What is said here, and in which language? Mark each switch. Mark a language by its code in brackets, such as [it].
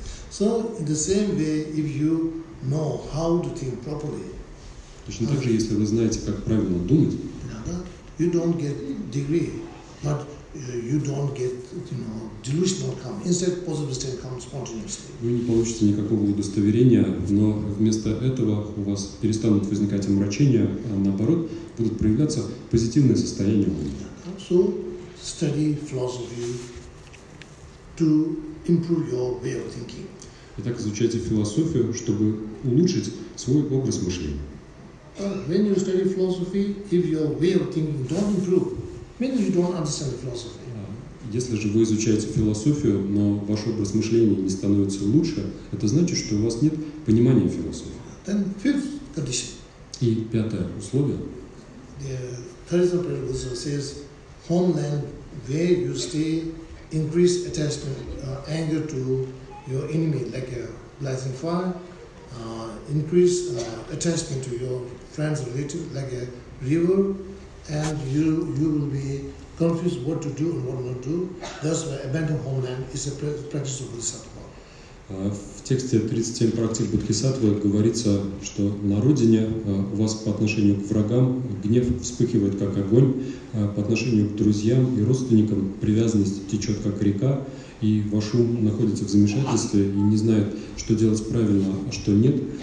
[en] So in the same way, if you know how to think properly, [ru] точно так же, если вы знаете, как правильно думать, [en] you don't get degree, but you don't get, you know, delusional come. Instead, positive state comes spontaneously. [ru] Вы не получите никакого удостоверения, но вместо этого у вас перестанут возникать омрачения, а наоборот, будут проявляться позитивные состояния. [en] So, study philosophy to improve your way of thinking. [ru] Итак, изучайте философию, чтобы улучшить свой образ мышления. [en] When you study philosophy, if your way of thinking don't improve, maybe you don't understand the philosophy. [ru] Если же вы изучаете философию, но ваш образ мышления не становится лучше, это значит, что у вас нет понимания философии. [en] Then fifth condition. [ru] И пятое условие. [en] The Theresa Prabhupada says, homeland where you stay increase attachment, anger to your enemy like a blazing fire, increase attachment to your friends and relatives like a river, and you will be confused what to do and what not to do. Thus, abandon homeland is a practice of bodhisattva. [ru] В тексте 37 практик Бодхисаттвы говорится, что на родине у вас по отношению к врагам гнев вспыхивает как огонь, а по отношению к друзьям и родственникам привязанность течет как река, и ваш ум находится в замешательстве и не знает, что делать правильно, а что нет.